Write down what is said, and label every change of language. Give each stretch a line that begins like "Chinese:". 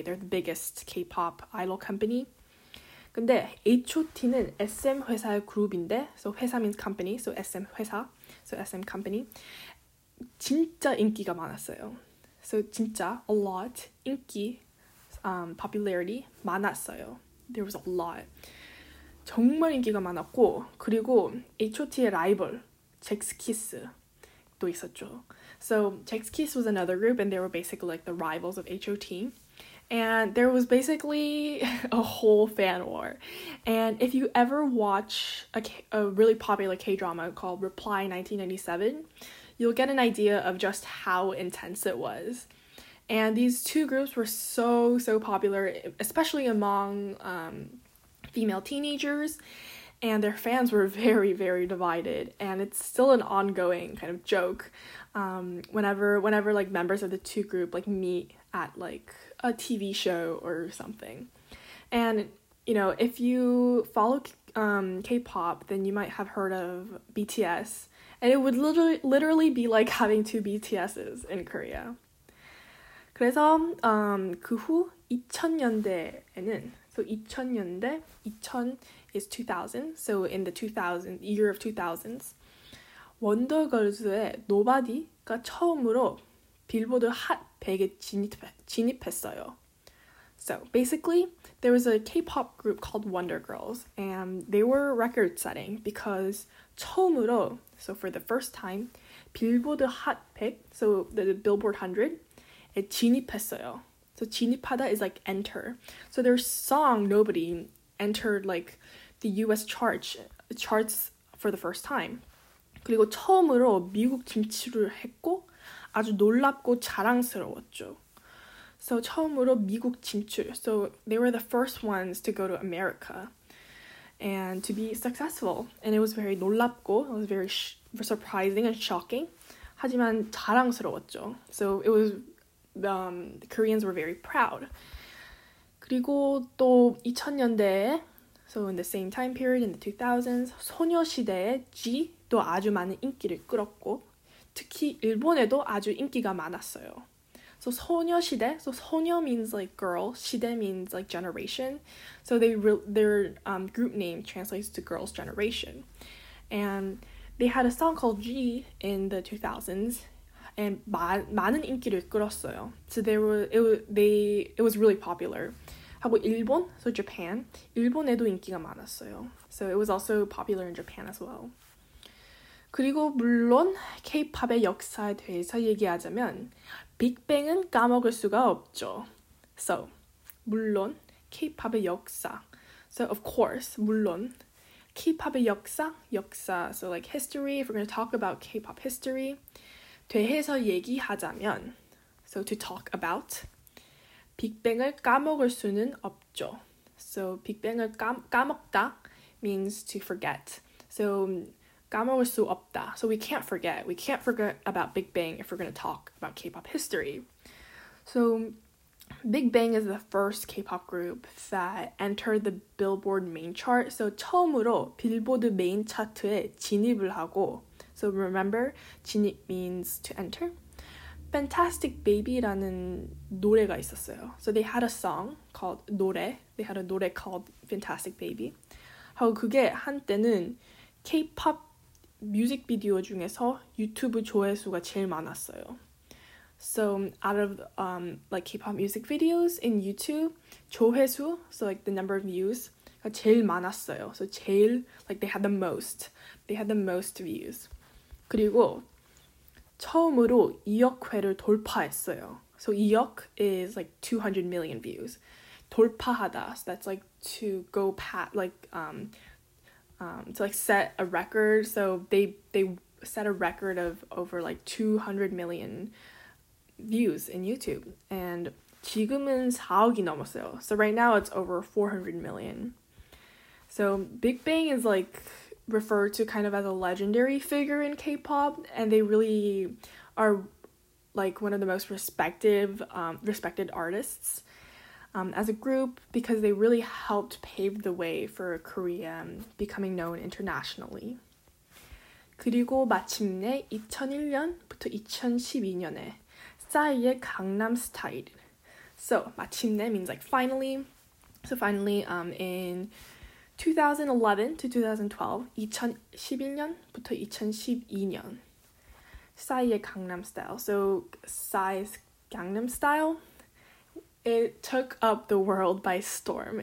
English: They're the biggest K-pop idol company.
Korean: 근데 H.O.T는 SM 회사의 그룹인데,
English: so 회사 means company, so SM 회사, so SM company.
Korean: 진짜 인기가 많았어요.
English: So 진짜 a lot 인기, popularity 많았어요. There was a lot.
Korean: 정말 인기가 많았고 그리고 H.O.T의 라이벌 잭스키스도 있었죠.
English: So Jackskiss was another group and they were basically like the rivals of H.O.T. And there was basically a whole fan war. And if you ever watch a really popular K-drama called Reply 1997, you'll get an idea of just how intense it was. And these two groups were so, so popular, especially among female teenagers, And their fans were very, very divided. And it's still an ongoing kind of joke. Whenever like members of the two group like meet at like a TV show or something. And you know, if you follow K-pop, then you might have heard of BTS. And it would literally be like having two BTSs in Korea.
Korean: 그래서 그 후 2000년대에는
English: so 2000년대 2000 is 2000 so in the 2000 year of 2000s
Korean: 원더걸스의 Nobody가 처음으로 빌보드 핫 100에 진입했어요.
English: So basically there was a K-pop group called Wonder Girls and they were record setting because
Korean: 처음으로
English: so for the first time
Korean: 빌보드 핫 100
English: so the Billboard 100
Korean: 진입했어요.
English: So 진입하다 is like enter. So their song Nobody entered like the US charts for the first time.
Korean: 그리고 처음으로 미국 진출을 했고 아주 놀랍고 자랑스러웠죠. So 처음으로 미국 진출.
English: So they were the first ones to go to America and to be successful. And it was very 놀랍고, it was very surprising and shocking.
Korean: 하지만 자랑스러웠죠.
English: So it was the Koreans were very proud.
Korean: 그리고 또 2000년대에
English: so in the same time period in the 2000s,
Korean: 소녀시대의 G도 아주 많은 인기를 끌었고 특히 일본에도 아주 인기가 많았어요.
English: So 소녀시대, so 소녀 means like girl, 시대 means like generation. So their group name translates to girls generation. And they had a song called G in the 2000s.
Korean: And 많은 인기를 끌었어요.
English: So it was really popular.
Korean: 하고 일본,
English: so Japan,
Korean: 일본에도 인기가 많았어요.
English: So it was also popular in Japan as well.
Korean: 그리고 물론 K-pop의 역사에 대해서 얘기하자면 빅뱅은 까먹을 수가 없죠. So 물론 K-pop의 역사.
English: So of course
Korean: 물론 K-pop의 역사.
English: So like history. If we're going to talk about K-pop history.
Korean: 대해서 얘기하자면,
English: so to talk about,
Korean: 빅뱅을 까먹을 수는 없죠.
English: So
Korean: 빅뱅을 까먹다
English: means to forget. So
Korean: 까먹을 수 없다.
English: So we can't forget. We can't forget about Big Bang if we're going to talk about K-pop history. So Big Bang is the first K-pop group that entered the Billboard main chart.
Korean: So 처음으로 빌보드 메인 차트에 진입을 하고
English: So remember,
Korean: 진입
English: means to enter.
Korean: Fantastic Baby라는 노래가 있었어요.
English: So they had a song called 노래. They had a 노래 called Fantastic Baby.
Korean: 하고 그게 한때는 K-pop 뮤직비디오 중에서 유튜브 조회수가 제일 많았어요.
English: So out of like K-pop music videos in YouTube, 조회수, so like the number of views,
Korean: 제일 많았어요.
English: So 제일, like they had the most. They had the most views.
Korean: 그리고 처음으로 2억 회를 돌파했어요.
English: So 2억 is like 200 million views.
Korean: 돌파하다.
English: So that's like to go past, like to like set a record. So they set a record of over like 200 million views in YouTube.
Korean: And 지금은 4억이 넘었어요.
English: So right now it's over 400 million. So Big Bang is like referred to kind of as a legendary figure in K-pop, and they really are like one of the most respected artists as a group because they really helped pave the way for Korea becoming known internationally.
Korean: 그리고 마침내 2001년부터 2012년에 싸이의 강남 스타일.
English: So 마침내 means like finally. So finally, in 2011 to 2012,
Korean: 2011년부터 2012년, 싸이의 강남 스타일.
English: So, Psy's Gangnam Style, it took up the world by storm.